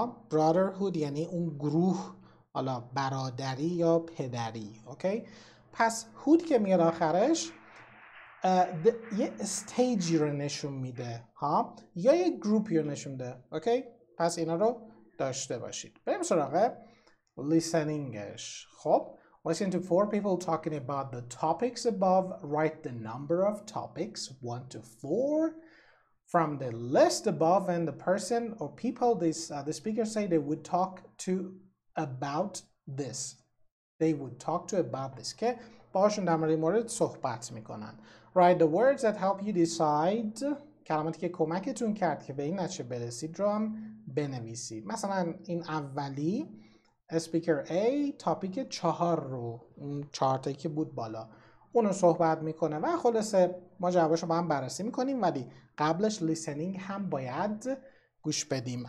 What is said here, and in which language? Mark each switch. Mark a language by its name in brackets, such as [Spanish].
[Persian] Brotherhood یعنی اون گروه، حالا برادری یا پدری. اوکی؟ پس hood که میاد آخرش یه استیجی رو نشون میده، یا یه گروپی رو نشون میده. اوکی؟ پس اینا رو داشته باشید. بریم سراغ listeningش. [English] خب listen to four people talking about the topics above, write the number of topics 1 to 4 from the list above and the person or people this the speaker say they would talk to about this. They would talk to about this. [Persian] که باشون در مورد صحبت میکنن. [English] Write the words that help you decide. [Persian] کلماتی که کمکتون کرد که به این نتیجه برسید رو هم بنویسید. مثلا این اولی [English] speaker A topic 4 [Persian] رو، چهار تایی که بود بالا، اونو صحبت میکنه و خلاصه ما جوابشو با هم بررسی میکنیم، ولی قبلش لیسنینگ هم باید گوش بدیم.